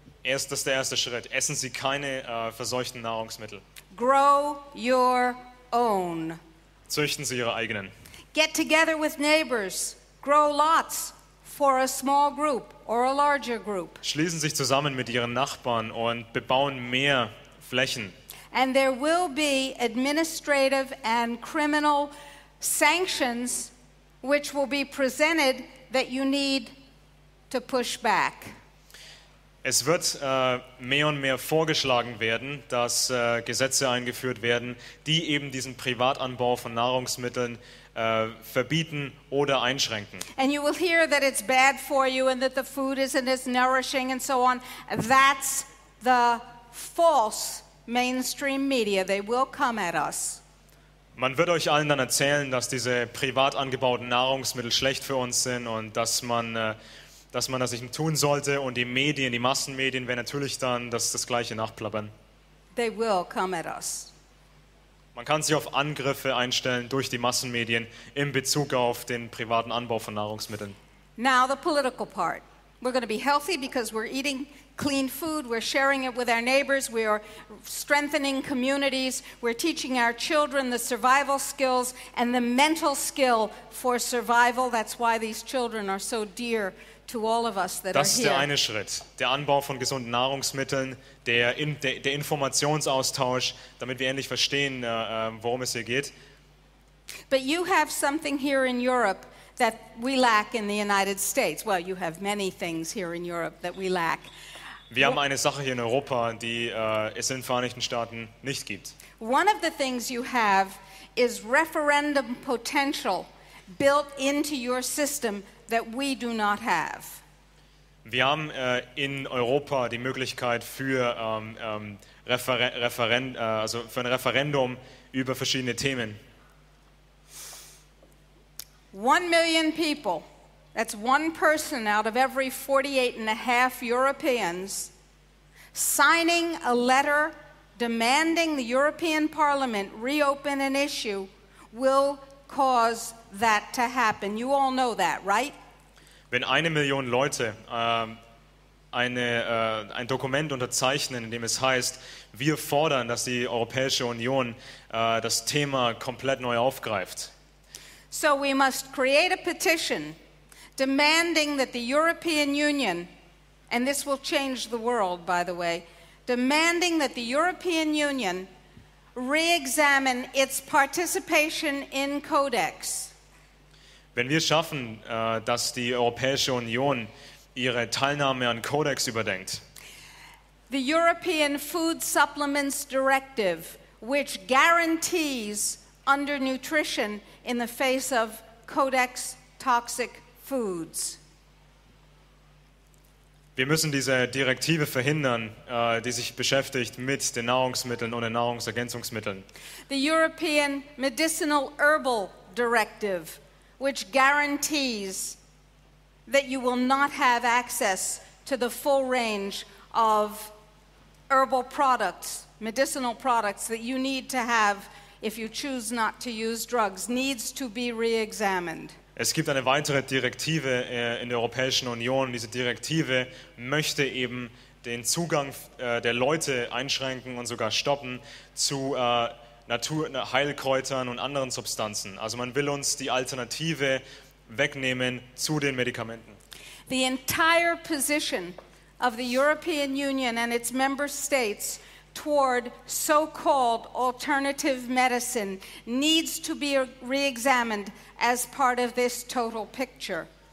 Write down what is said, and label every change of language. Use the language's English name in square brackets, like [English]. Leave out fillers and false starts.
[German] Das ist der erste Schritt. Essen Sie keine verseuchten Nahrungsmittel. [English] Grow your own. [German] Züchten Sie Ihre eigenen. [English] Get together with neighbors. Grow lots for a small group or a larger group. [German] Schließen sich zusammen mit ihren Nachbarn und bebauen mehr Flächen. [English] And there will be administrative and criminal sanctions which will be presented that you need to push back. [German] Es wird mehr und mehr vorgeschlagen werden, dass Gesetze eingeführt werden, die eben diesen Privatanbau von Nahrungsmitteln verbieten oder einschränken. [English] And you will hear that it's bad for you and that the food isn't as nourishing and so on. That's the false mainstream media. They will come at us. [German] Man wird euch allen dann erzählen, dass diese privat angebauten Nahrungsmittel schlecht für uns sind und dass man das nicht tun sollte, und die Medien, die Massenmedien, werden natürlich dann das gleiche nachplappern. [English] They will come at us. [German] Man kann sich auf Angriffe einstellen durch die Massenmedien in Bezug auf den privaten Anbau von Nahrungsmitteln. [English] Now the political part. We're going to be healthy because we're eating clean food, we're sharing it with our neighbors, we are strengthening communities, we're teaching our children the survival skills and the mental skill for survival. That's why these children are so dear to all of us that [German] das [English] are here. [German] Das ist der eine Schritt, der Anbau von gesunden Nahrungsmitteln, der Informationsaustausch, damit wir endlich verstehen, worum es hier geht. [English] But you have something here in Europe that we lack in the United States. Well, you have many things here in Europe that we lack. [German] Wir haben eine Sache hier in Europa, die es in den Vereinigten Staaten nicht gibt. [English] One of the things you have is referendum potential built into your system that we do not have. [German] Wir haben in Europa die Möglichkeit für ein Referendum über verschiedene Themen. [English] 1 million people, that's one person out of every 48 and a half Europeans, signing a letter demanding the European Parliament reopen an issue will cause that to happen. You all know that, right? [German] Wenn 1 million Leute ein Dokument unterzeichnen, in dem es heißt, wir fordern, dass die Europäische Union das Thema komplett neu aufgreift. [English] So we must create a petition demanding that the European Union, and this will change the world, by the way, demanding that the European Union re-examine its participation in Codex. [German] Wenn wir schaffen, dass die Europäische Union ihre Teilnahme an Codex überdenkt. [English] The European Food Supplements Directive, which guarantees under nutrition in the face of Codex toxic foods. [German] Wir müssen diese Direktive verhindern, die sich beschäftigt mit den Nahrungsmitteln und den Nahrungsergänzungsmitteln. [English] The European Medicinal Herbal Directive, which guarantees that you will not have access to the full range of herbal products, medicinal products that you need to have if you choose not to use drugs, needs to be re-examined. [German] Es gibt eine weitere Direktive in der Europäischen Union. Diese Direktive möchte eben den Zugang der Leute einschränken und sogar stoppen zu Heilkräutern und anderen Substanzen. Also man will uns die Alternative wegnehmen zu den Medikamenten. [English] The entire position of the European Union and its member states toward so-called alternative medicine needs to be re-examined as part of this total picture.